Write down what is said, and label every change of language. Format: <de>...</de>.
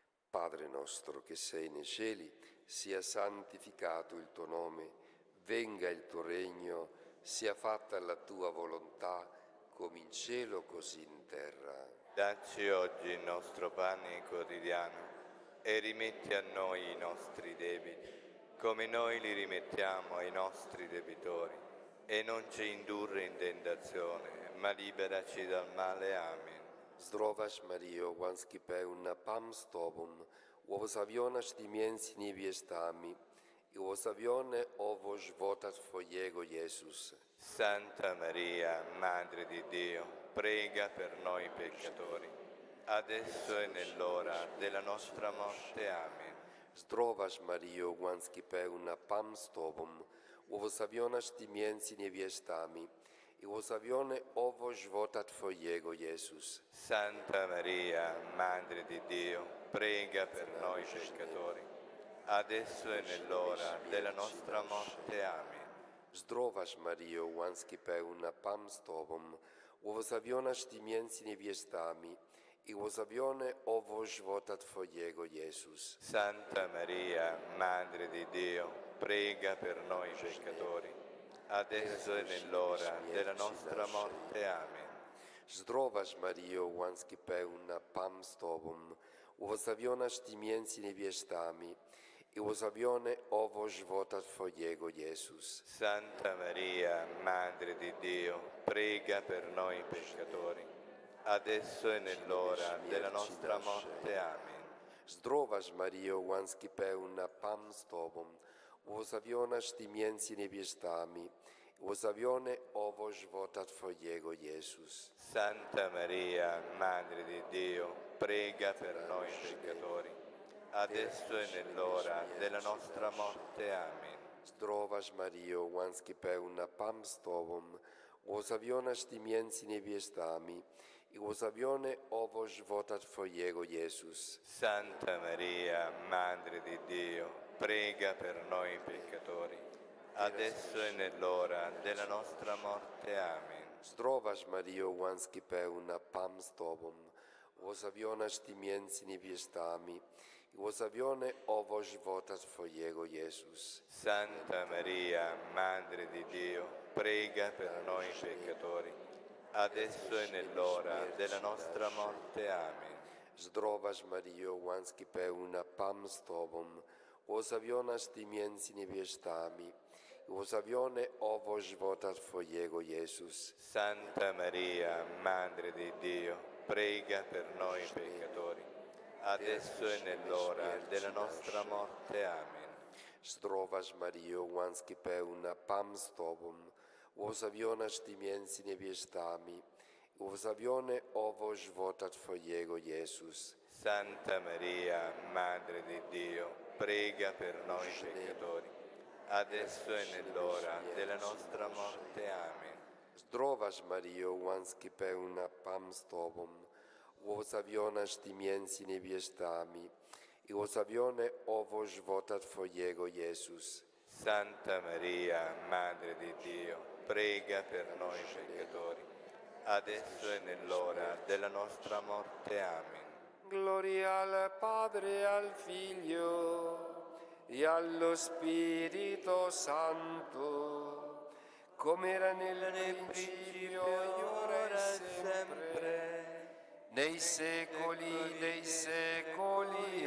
<it>Padre nostro che sei nei cieli, sia santificato il tuo nome, venga il tuo regno, sia fatta la tua volontà come in cielo così in terra. Dacci oggi il nostro pane quotidiano e rimetti a noi i nostri debiti, come noi li rimettiamo ai nostri debitori, e non ci indurre in tentazione, ma liberaci dal male. Amen.</it> <pl>Zdrowaś Maryjo, łaski pełna, Pan z Tobą, błogosławionaś Ty między niewiastami i błogosławione owoc żywota Twojego, Jezus.</pl> <it>Santa Maria, Madre di Dio, prega per noi peccatori, adesso è nell'ora della nostra morte. Amen.</it> <pl>Zdrowaś Maryjo, łaski pełna, Pan z Tobą, błogosławionaś Ty między niewiastami i błogosławione owoc żywota Twojego, Jezus.</pl> <it>Santa Maria, Madre di Dio, prega per noi peccatori, adesso è nell'ora della nostra morte. Amen.</it> <pl>Zdrowaś Maryjo, łaski pełna, Pan z Tobą, błogosławionaś Ty między niewiastami i błogosławione owoc żywota Twojego, Jezus.</pl> <it>Santa Maria, Madre di Dio, prega per noi peccatori, adesso è nell'ora della nostra morte. Amen.</it> <pl>Zdrowaś Maryjo, łaski pełna, Pan z Tobą, błogosławionaś Ty między niewiastami i błogosławiony owoc żywota Twojego, Jezus.</pl> <it>Santa Maria, Madre di Dio, prega per noi peccatori, adesso e nell'ora della nostra morte. Amen.</it> <pl>Zdrowaś Maryjo, łaski pełna, Pan z Tobą, błogosławionaś Ty między niewiastami, błogosławiony owoc żywota Twojego, Jezus.</pl> <it>Santa Maria, Madre di Dio, prega per noi peccatori, adesso e nell'ora della nostra morte. Amen.</it> <pl>Zdrowaś Maryjo, łaski pełna, Pan z Tobą, błogosławionaś Ty między niewiastami, i błogosławiony owoc żywota Twojego, Jezus.</pl> <it>Santa Maria, Madre di Dio, prega per noi peccatori, adesso e nell'ora della nostra morte. Amen.</it> <pl>Zdrowaś Maryjo, łaski pełna, Pan z Tobą, błogosławionaś Ty między niewiastami, i błogosławiony owoc żywota Twojego, Jezus.</pl> <it>Santa Maria, Madre di Dio, prega per noi peccatori, adesso e nell'ora della nostra morte. Amen.</it> <pl>Zdrowaś Maryjo, łaski pełna, Pan z Tobą, błogosławionaś Ty między niewiastami, błogosławiony owoc żywota Twojego, Jezus.</pl> <it>Santa Maria, Madre di Dio, prega per noi peccatori, adesso e nell'ora della nostra morte. Amen.</it> <pl>Zdrowaś Maryjo, łaski pełna, Pan z Tobą, błogosławionaś Ty między niewiastami, błogosławiony owoc żywota Twojego, Jezus.</pl> <it>Santa Maria, Madre di Dio, prega per noi peccatori, adesso e nell'ora della nostra morte. Amen.</it> <pl>Zdrowaś Maryjo, łaski pełna, Pan z Tobą, błogosławionaś Ty między niewiastami, i błogosławiony owoc żywota Twojego, Jezus.</pl> <it>Santa Maria, Madre di Dio, prega per noi peccatori, adesso e nell'ora della nostra morte. Amen. Gloria al Padre e al Figlio e allo Spirito Santo, come era nel principio, ora e sempre, nei secoli dei secoli.</it>